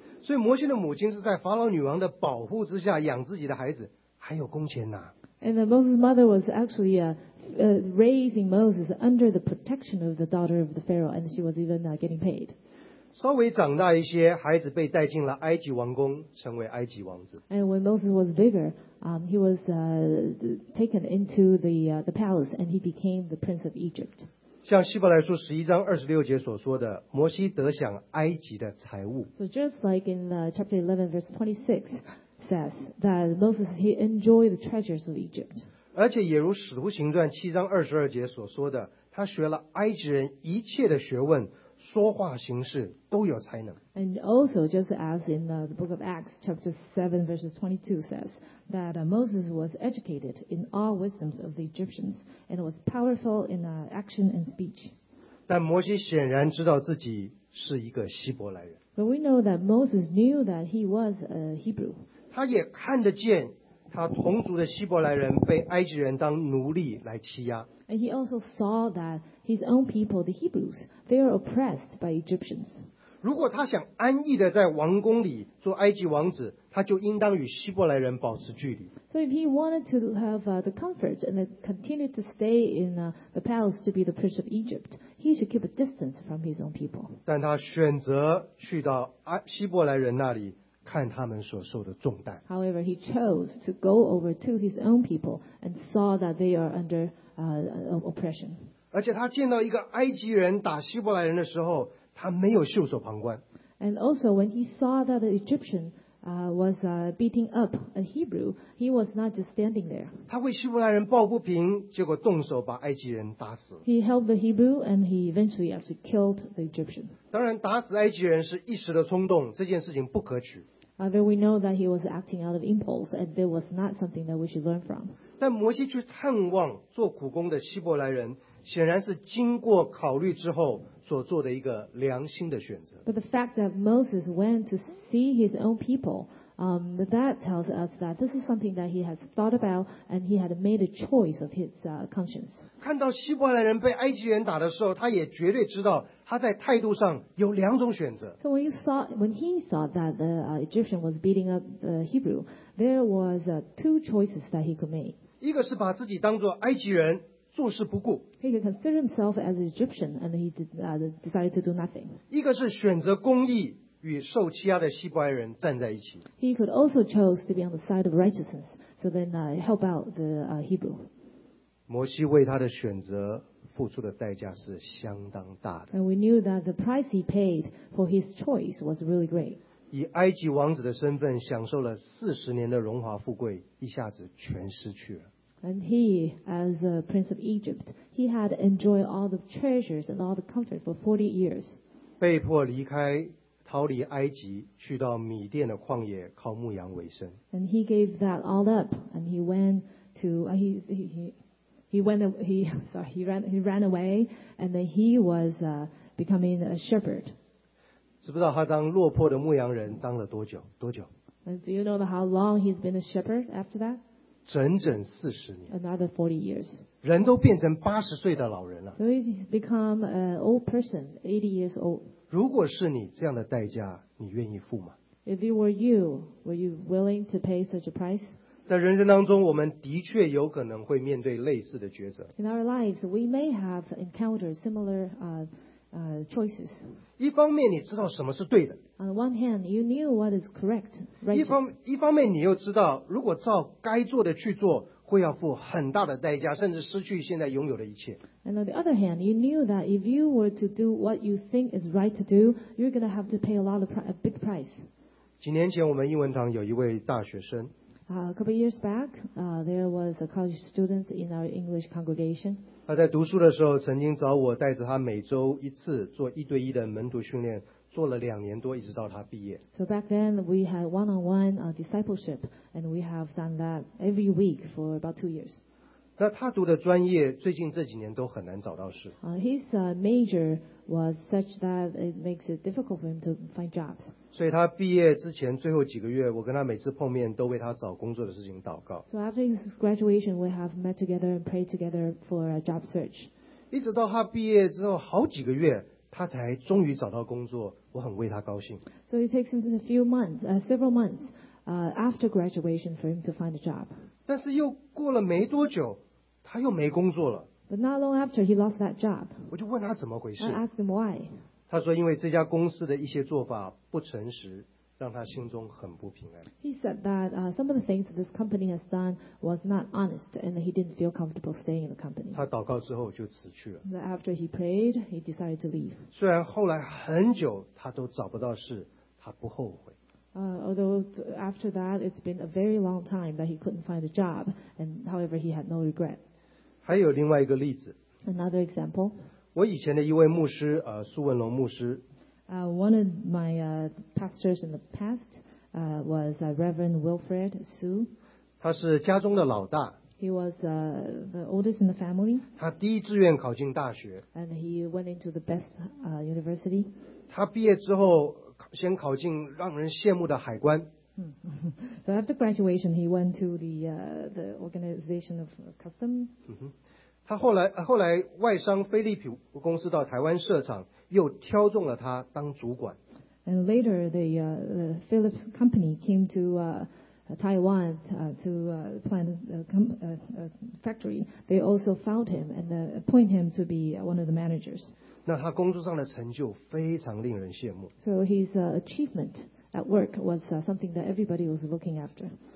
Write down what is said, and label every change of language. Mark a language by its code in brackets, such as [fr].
[zh] 所以摩西的母亲是在法老女王的保护之下养自己的孩子，还有工钱拿。 [en] And Moses' mother was actually raising Moses under the protection of the daughter of the Pharaoh, and she was even getting paid. [zh] 稍微长大一些，孩子被带进了埃及王宫，成为埃及王子。 [en] And when Moses was bigger, he was taken into the palace, and he became the prince of Egypt. [zh] 像希伯来书十一章二十六节所说的，摩西得享埃及的财物。 [en] So just like in chapter 11 verse 26 says that Moses he enjoyed the treasures of Egypt. [zh] 而且也如使徒行传七章二十二节所说的，他学了埃及人一切的学问。说话行事都有才能。 [en] And also, just as in the book of Acts, chapter 7, verses 22 says that Moses was educated in all wisdoms of the Egyptians and was powerful in action and speech. [zh] 但摩西显然知道自己是一个希伯来人。 [en] But we know that Moses knew that he was a Hebrew. [zh] 他也看得见他同族的希伯来人被埃及人当奴隶来欺压。 [en] And he also saw that his own people, the Hebrews, they are oppressed by Egyptians. [zh] 如果他想安逸的在王宫里做埃及王子，他就应当与希伯来人保持距离。 [en] So if he wanted to have the comfort and continue to stay in the palace to be the prince of Egypt, he should keep a distance from his own people. [zh] 但他选择去到希伯来人那里看他们所受的重担。 [en] However, he chose to go over to his own people and saw that they are under oppression. [zh] 而且他见到一个埃及人打希伯来人的时候，他没有袖手旁观。 [en] And also, when he saw that the Egyptian was beating up a Hebrew, he was not just standing there. [zh] 他为希伯来人抱不平，结果动手把埃及人打死。 [en] He helped the Hebrew, and he eventually actually killed the Egyptian. [zh] 当然，打死埃及人是一时的冲动，这件事情不可取。 [en] But we know that he was acting out of impulse, and it was not something that we should learn from. [zh] 但摩西去探望做苦工的希伯来人，显然是经过考虑之后所做的一个良心的选择。 [en] But the fact that Moses went to see his own people, That tells us that this is something that he has thought about and he had made a choice of his conscience. [zh] 看到希伯来人被埃及人打的时候，他也绝对知道他在态度上有两种选择。 [en] So when he saw that the Egyptian was beating up the Hebrew, there was two choices that he could make. [zh] 一个是把自己当作埃及人，坐视不顾。 [en] He could consider himself as an Egyptian and he decided to do nothing. [zh] 一个是选择公义，与受欺压的希伯来人站在一起。 [en] He could also chose to be on the side of righteousness, so then help out the Hebrew. [zh] 摩西为他的选择付出的代价是相当大的。 [en] And we knew that the price he paid for his choice was really great. [zh] 以埃及王子的身份享受了40年的荣华富贵，一下子全失去了。 [en] And he, as a prince of Egypt, he had enjoyed all the treasures and all the comfort for 40 years. [zh] 被迫离开，逃离埃及，去到米甸的旷野靠牧羊为生。 [en] And he gave that all up, and he went to he ran away, and then he was becoming a shepherd. [zh] 知不知道他当落魄的牧羊人当了多久？多久 [en] ？And do you know how long he's been a shepherd after that? [zh] 整整40年。 [en] Another 40 years. [zh] 人都变成80岁的老人了。 [en] So he's become an old person, 80 years old. [zh] 如果是你，这样的代价，你愿意付吗 [en] ？If it were you, were you willing to pay such a price? [zh] 在人生当中，我们的确有可能会面对类似的抉择。 [en] In our lives, we may have encountered similar choices. [zh] 一方面，你知道什么是对的。 [en] On one hand, you knew what is correct. [zh] 一方面，你又知道，如果照该做的去做，会要付很大的代价，甚至失去现在拥有的一切。 [en] And on the other hand, you knew that if you were to do what you think is right to do, you're going to have to pay a big price. [zh] 几年前，我们英文堂有一位大学生。 [en] A couple of years back, there was a college student in our English congregation. [zh] 他在读书的时候，曾经找我带着他每周一次做一对一的门徒训练，做了2年多，一直到他毕业。 [en] So back then we had one-on-one discipleship, and we have done that every week for about 2 years. [zh] 那他读的专业最近这几年都很难找到事。 [en] His major was such that it makes it difficult for him to find jobs. [zh] 所以他毕业之前最后几个月，我跟他每次碰面都为他找工作的事情祷告。 [en] So after his graduation, we have met together and prayed together for a job search. [zh] 一直到他毕业之后好几个月，他才终于找到工作，我很为他高兴。 [en] So it takes him a few months, several months, after graduation for him to find a job. [zh] 但是又过了没多久，他又没工作了。 [en] But not long after, he lost that job. [zh] 我就问他怎么回事。 [en] I asked him why. [zh] 他说因为这家公司的一些做法不诚实，让他心中很不平安。 [en] He said that some of the things this company has done was not honest and he didn't feel comfortable staying in the company. [zh] 他祷告之后就辞去了。 [en] But after he prayed, he decided to leave. [zh] 虽然后来很久他都找不到事，他不后悔。 [en] Although after that it's been a very long time that he couldn't find a job and however he had no regret. [zh] 还有另外一个例子。 [en] Another example. [zh] 我以前的一位牧师，苏文龙牧师。 [en] One of my pastors in the past was Reverend Wilfred Sue. [zh] 他是家中的老大。 [en] He was the oldest in the family. [zh] 他第一志愿考进大学。 [en] And he went into the best university. [zh] 他毕业之后先考进让人羡慕的海关。 [en] So after graduation, he went to the organization of custom. [zh] 他后来外商飞利浦公司到台湾设厂，又挑中了他当主管。 [en] And later the Philips company came to Taiwan to plant a factory. They also found him and appoint him to be one of the managers. [zh] 那他工作上的成就非常令人羡慕。 [en] So his achievement at work was something that everybody was looking after.